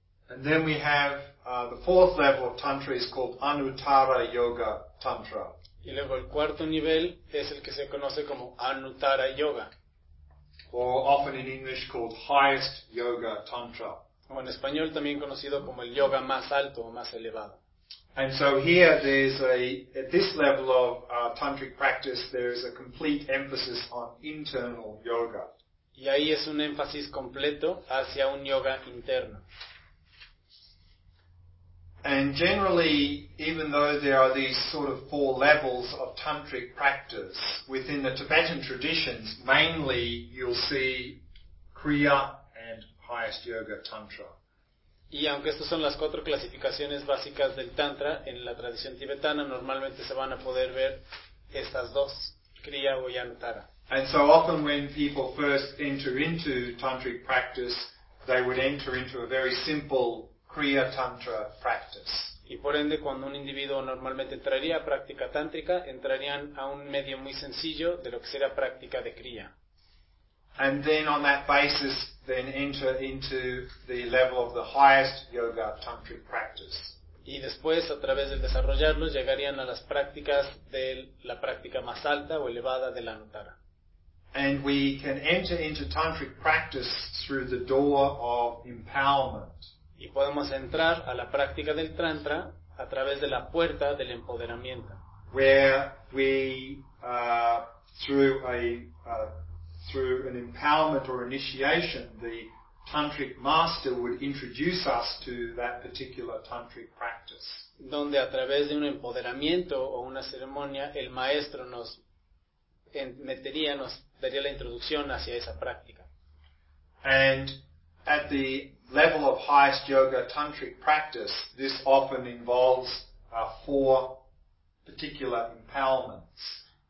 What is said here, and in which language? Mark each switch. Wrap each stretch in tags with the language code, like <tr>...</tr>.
<en>And then we have the fourth level of tantra is called Anuttara Yoga Tantra.</en> <es>Y luego el cuarto nivel es el que se conoce como Anuttara Yoga.</es> <en>Or often in English called Highest Yoga Tantra.</en> <es>O en español también conocido como el yoga más alto o más elevado.</es> <en>And so here there's at this level of tantric practice there is a complete emphasis on internal yoga.</en> <es>Y ahí es un énfasis completo hacia un yoga interno.</es> <en>And generally, even though there are these sort of four levels of tantric practice, within the Tibetan traditions, mainly you'll see Kriya and Highest Yoga Tantra.</en> <es>Y aunque estas son las cuatro clasificaciones básicas del tantra, en la tradición tibetana normalmente se van a poder ver estas dos, Kriya o Yantara.</es> <en>And so often when people first enter into tantric practice, they would enter into a very simple Kriya Tantra practice.</en> <es>Y por ende, cuando un individuo normalmente entraría a práctica tántrica, entrarían a un medio muy sencillo de lo que sería práctica de Kriya.</es> <en>And then on that basis, then enter into the level of the highest yoga tantric practice.</en> <es>Y después, a través del desarrollarlo, llegarían a las prácticas de la práctica más alta o elevada de la Anuttara.</es> <en>And we can enter into tantric practice through the door of empowerment.</en> <es>Y podemos entrar a la práctica del tantra a través de la puerta del empoderamiento.</es> <en>Where we, through an empowerment or initiation, the tantric master would introduce us to that particular tantric practice.</en> <es>Donde a través de un empoderamiento o una ceremonia, el maestro nos daría la introducción hacia esa práctica.</es> <en>And at the level of highest yoga tantric practice, this often involves four particular empowerments.</en>